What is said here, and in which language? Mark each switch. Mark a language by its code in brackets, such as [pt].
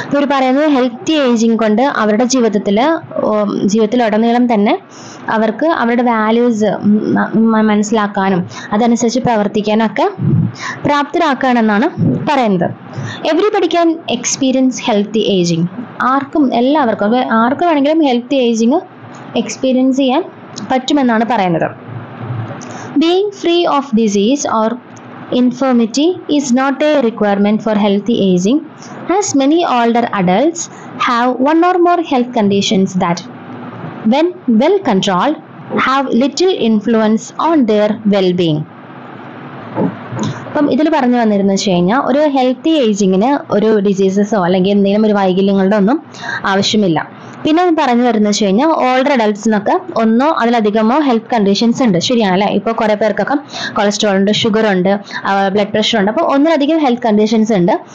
[ml] പറയുന്നത് healthy ageing കൊണ്ട് അവരുടെ ജീവിതത്തിലുടനീളം തന്നെ അവർക്ക് അവരുടെ വാല്യൂസ് മനസ്സിലാക്കാനും അതനുസരിച്ച് പ്രവർത്തിക്കാനൊക്കെ പ്രാപ്തരാക്കാനെന്നാണ് പറയുന്നത്. [en] Everybody can experience healthy ageing. [ml] ആർക്കും എല്ലാവർക്കും ആർക്ക് വേണമെങ്കിലും ഹെൽത്തി ഏജിങ് എക്സ്പീരിയൻസ് ചെയ്യാൻ പറ്റുമെന്നാണ് പറയുന്നത്. [en] Being free of disease or infirmity is not a requirement for healthy aging as many older adults have one or more health conditions that when well controlled have little influence on their well being. [ml] അപ്പം ഇതിൽ പറഞ്ഞു വന്നിരുന്നു കഴിഞ്ഞാൽ ഒരു healthy ഏജിങ്ങിന് ഒരു ഡിസീസസോ അല്ലെങ്കിൽ എന്തെങ്കിലും ഒരു വൈകല്യങ്ങളുടെ ഒന്നും ആവശ്യമില്ല. പിന്നെ പറഞ്ഞു വരുന്നത് വെച്ച് കഴിഞ്ഞാൽ ഓൾഡർ അഡൽട്സിനൊക്കെ ഒന്നോ അതിലധികമോ ഹെൽത്ത് കണ്ടീഷൻസ് ഉണ്ട്, ശരിയാണല്ലേ. ഇപ്പോൾ കുറെ പേർക്കൊക്കെ കൊളസ്ട്രോൾ ഉണ്ട്, ഷുഗർ ഉണ്ട്, ബ്ലഡ് പ്രഷർ ഉണ്ട്, അപ്പോൾ ഒന്നിലധികം ഹെൽത്ത് കണ്ടീഷൻസ് ഉണ്ട്.